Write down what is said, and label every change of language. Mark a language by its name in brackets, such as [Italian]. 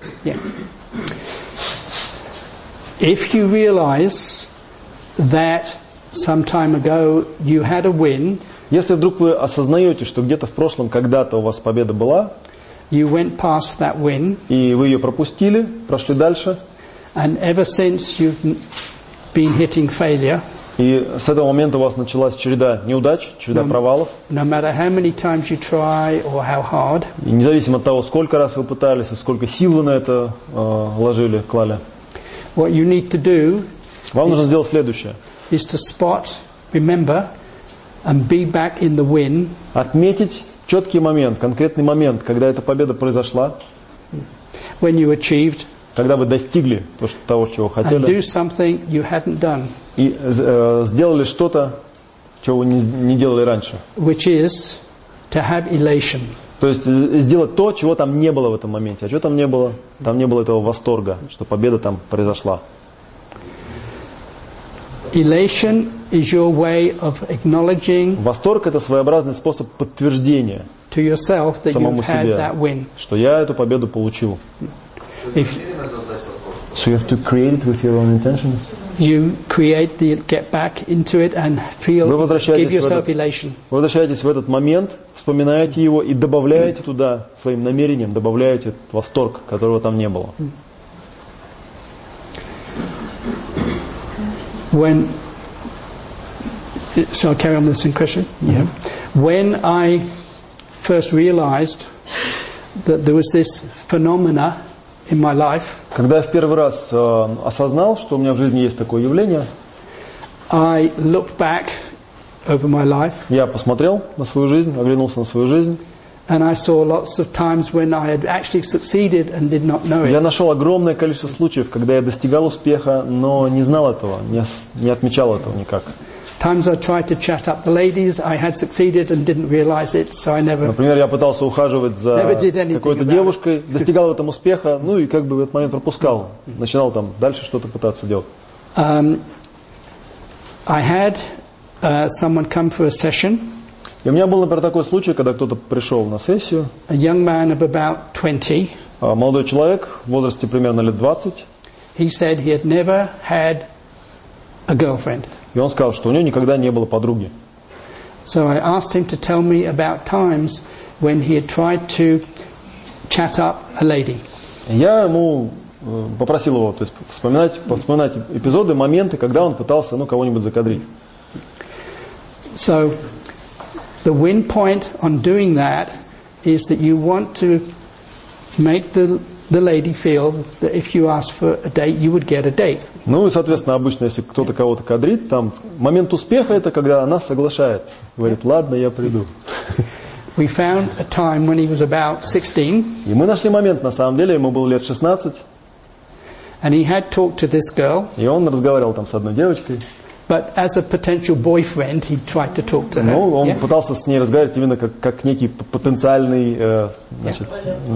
[English] Yeah. If you realize that some time ago you had a win, [Russian] если вдруг вы осознаете, что где-то в прошлом когда-то у вас победа была, [English] you went past that win, [Russian] и вы ее пропустили, прошли дальше, [English] and ever since you've been hitting failure. [Russian] И с этого момента у вас началась череда неудач, череда провалов. [English] No matter how many times you try or how hard. [Russian] И независимо от того, сколько раз вы пытались, сколько сил вы на это вложили, клали. [English] What you need to do. [Russian] Вам нужно сделать следующее. [English] Is to spot, remember, and be back in the win. [Russian] Отметить четкий момент, конкретный момент, когда эта победа произошла. [English] When you achieved. [Russian] Когда вы достигли того, чего хотели. [English] And do something you hadn't done. [Russian] И сделали что-то, чего вы не делали раньше. [English] Which is to have elation. [Russian] То есть сделать то, чего там не было в этом моменте. А чего там не было? Там не было этого восторга, что победа там произошла. [English] Elation is your way of acknowledging. [Russian] Восторг – это своеобразный способ подтверждения [English] to yourself that [Russian] самому [English] you've [Russian] себе, [English] had that win. [Russian] Что я эту победу получил. [English] So you have to create it with your own intentions. You create the get back into it and feel. [Russian] Вы возвращаетесь, [English] give yourself elation. [Russian] Вы возвращаетесь в этот момент, вспоминаете его и добавляете туда своим намерением, добавляете восторг, которого там не было. [English] When, so I'll carry on with the same question. Yeah. When I first realized that there was this phenomena in my life, [Russian] когда я в первый раз осознал, что у меня в жизни есть такое явление, [English] I looked back over my life, [Russian] я посмотрел на свою жизнь, оглянулся на свою жизнь. [English] And I saw lots of times when I had actually succeeded and did not know it. [Russian] Я нашел огромное количество случаев, когда я достигал успеха, но не знал этого, не отмечал этого никак. [English] Times I tried to chat up the ladies, I had succeeded and didn't realize it, so I never. [Russian] Например, я пытался ухаживать за какой-то девушкой, достигал в этом успеха, ну и как бы в этот момент пропускал, начинал там дальше что-то пытаться делать. [English] I had someone come for a session. [Russian] И у меня был, например, такой случай, когда кто-то пришел на сессию. [English] A young man of about 20. [Russian] Молодой человек в возрасте примерно лет 20. [English] He said he had never had a girlfriend. [Russian] И он сказал, что у него никогда не было подруги. [English] So I asked him to tell me about times when he had tried to chat up a lady. [Russian] Я ему попросил его, то есть вспоминать эпизоды, моменты, когда он пытался, ну, кого-нибудь закадрить. [English] So the win point on doing that is that you want to make the lady feel that if you ask for a date, you would get a date. [Russian] Ну и, соответственно, обычно, если кто-то кого-то кадрит, там момент успеха это когда она соглашается, говорит: "Ладно, я приду". [English] We found a time when he was about 16. [Russian] И мы нашли момент, на самом деле, ему было лет 16. [English] And he had talked to this girl. [Russian] И он разговаривал там с одной девочкой. [English] But as a potential boyfriend, he tried to talk to her. [Russian] Ну, он yeah? пытался с ней разговаривать именно как некий потенциальный, значит, yeah.